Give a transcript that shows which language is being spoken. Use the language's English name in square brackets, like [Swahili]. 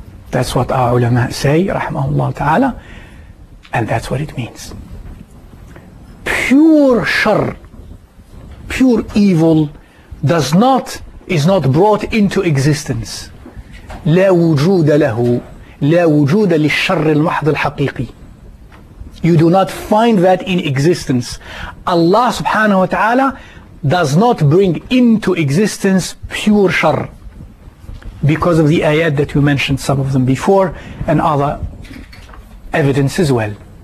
[English] That's what our ulama say, rahmahullah ta'ala, and that's what it means. Pure shar, pure evil, is not brought into existence. [Arabic] لا وجود له, لا وجود للشر المحض الحقيقي. [English] You do not find that in existence. Allah subhanahu wa ta'ala does not bring into existence pure shar, because of the ayat that we mentioned, some of them before, and other evidence as well.